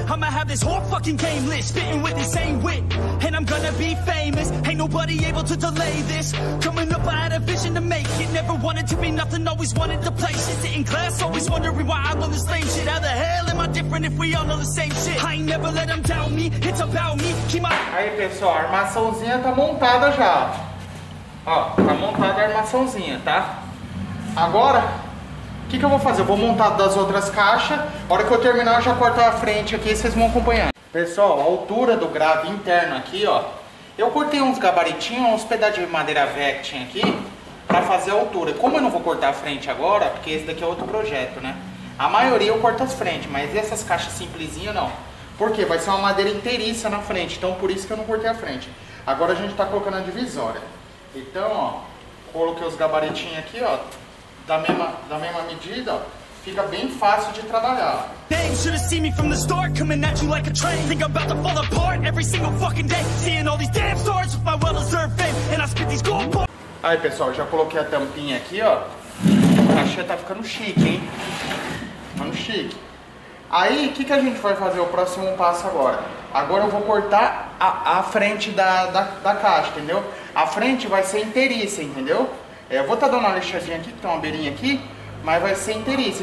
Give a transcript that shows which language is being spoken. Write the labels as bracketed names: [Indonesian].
[English] I'ma have this whole fucking game list. Spitting with the same wit. And I'm gonna be famous. Ain't nobody able to delay this. Coming up, I had a vision to make it. Never wanted to be nothing, always wanted to play shit. Sitting class, always wondering why I'm on this lame shit. How the hell am I different if we all know the same shit? I ain't never let them doubt me. It's about me. Keep my... [Portuguese] Aí, pessoal, a armaçãozinha tá montada já. Ó, tá montada a armaçãozinha, tá? Agora... O que, que eu vou fazer? Eu vou montar das outras caixas. A hora que eu terminar, eu já corto a frente aqui e vocês vão acompanhando. Pessoal, a altura do grave interno aqui, ó. Eu cortei uns gabaritinhos, uns pedaços de madeira velha que tinha aqui, pra fazer a altura. Como eu não vou cortar a frente agora, porque esse daqui é outro projeto, né? A maioria eu corto as frentes, mas essas caixas simplesinhas, não. Por quê? Vai ser uma madeira inteiriça na frente. Então, por isso que eu não cortei a frente. Agora a gente tá colocando a divisória. Então, ó, coloquei os gabaritinhos aqui, ó. Da mesma medida, fica bem fácil de trabalhar. [English] They should have seen me from the start, coming at you like a train. Think I'm about to fall apart every single fucking day. Seeing all these damn stars with my well deserved fame. And I spit these gold bars. [Portuguese] Aí, pessoal, já coloquei a tampinha aqui, ó. A caixa tá ficando chique, hein? Ficando chique. Aí, o que, que a gente vai fazer o próximo passo agora? Agora eu vou cortar a frente da caixa, entendeu? A frente vai ser inteiriça, entendeu? Eu vou estar dando uma lixadinha aqui, que tem uma beirinha aqui, mas vai ser inteiriça.